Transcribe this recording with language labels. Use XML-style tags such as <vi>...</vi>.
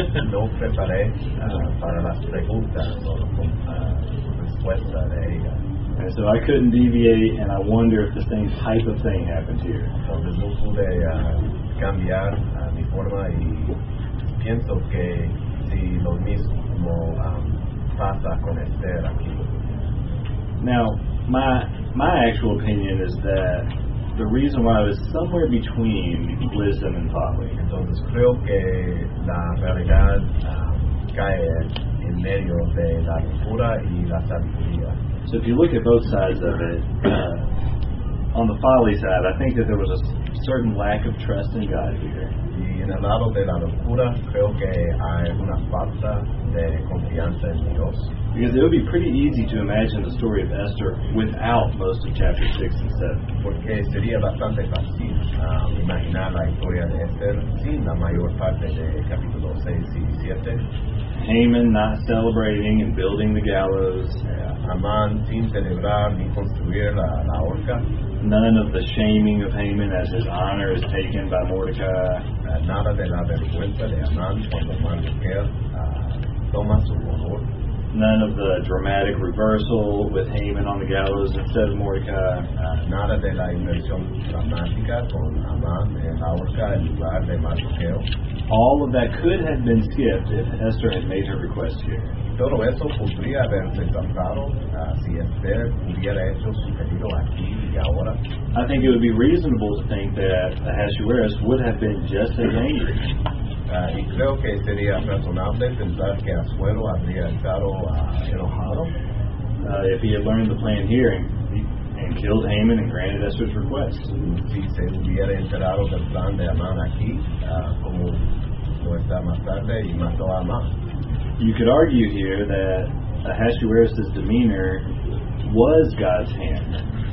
<es>No preparé para las preguntas o respuesta de ella.</es> <en>And so I couldn't deviate, and I wonder if the same type of thing happened here.</en> <es>Entonces no pude cambiar mi forma y pienso que si lo mismo pasa con Esther aquí.</es> <en>Now, my actual opinion is that the reason why it was somewhere between wisdom and folly.</en> <es>Entonces creo que la realidad cae en medio de la locura y la sabiduría.</es> <en>So if you look at both sides of it, on the folly side, I think that there was a certain lack of trust in God here.</en> <es>En el lado de la locura, creo que hay una falta de confianza en Dios.</es> <en>Because it would be pretty easy to imagine the story of Esther without most of chapter 6 and 7.</en> <es>Porque sería bastante fácil imaginar la historia de Esther sin la mayor parte de capítulo 6 y 7.</es> <en>Haman not celebrating and building the gallows. Yeah.</en> <es>Haman sin celebrar ni construir la horca.</es> <en>None of the shaming of Haman as his honor is taken by Mordecai.</en> <es>Nada de la vergüenza de Haman cuando Mordecai toma su honor.</es> <en>None of the dramatic reversal with Haman on the gallows instead of Mordecai.</en> <es>Nada de la inversión dramática con Haman en la horca en lugar de Mordecai.</es> <en>All of that could have been skipped if Esther had made her request here.</en> <es>Todo eso podría haberse saltado si Esther hubiera hecho su pedido aquí y ahora.</es> <en>I think it would be reasonable to think that Ahasuerus would have been just as angry.</en> <es>Y creo que sería razonable pensar que Asuero habría estado enojado.</es> <en>If he had learned the plan here and killed Haman and granted Esther's request.</en> <es>Si se hubiera enterado del plan de Amán aquí, como lo está más tarde, y mató a Amán.</es> <en>You could argue here that Ahasuerus' demeanor was God's hand.</en>